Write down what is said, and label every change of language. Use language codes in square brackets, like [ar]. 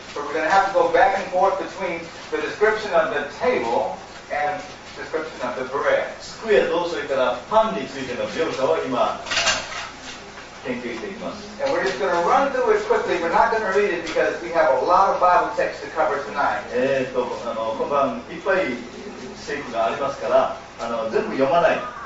[en] So we're going to have to go back and forth between the description of the table and description of the bread. [ja] スクエとそれからパンについての描写を今研究していきます。 [en] And we're just going to run through it quickly. We're not going to read it because we have a lot of Bible text to cover tonight. [ja] 今晩いっぱい聖句がありますから、全部読まない。